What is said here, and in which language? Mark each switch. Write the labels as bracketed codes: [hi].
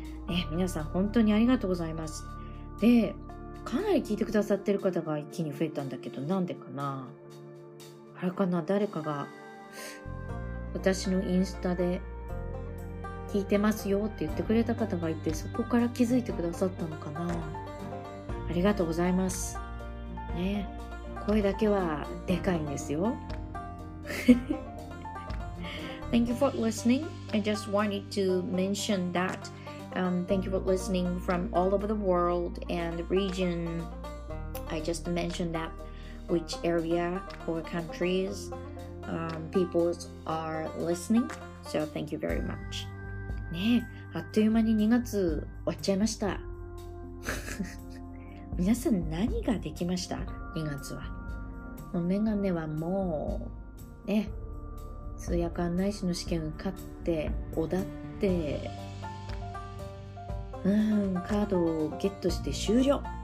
[ja] ね、皆さん本当にありがとうございます。でかなり聞いてくださってる方が一気に増えたんだけど、なんでかな、あれかな、誰かが私のインスタで聞いてますよって言ってくれた方がいて、そこから気づいてくださったのかな。ありがとうございますね。声だけはでかいんですよ。 [en] Thank you for listening. I just wanted to mention thatthank you for listening from all over the world and the region. I just mentioned that which area or countries、peoples are listening. So thank you very much. [ja] ねえ、あっという間に2月終わっちゃいました。皆さん何ができました ?2 月は。もうメガネはもう、ね、通訳案内士の試験を受かって、おだって、うん、カードをゲットして終了。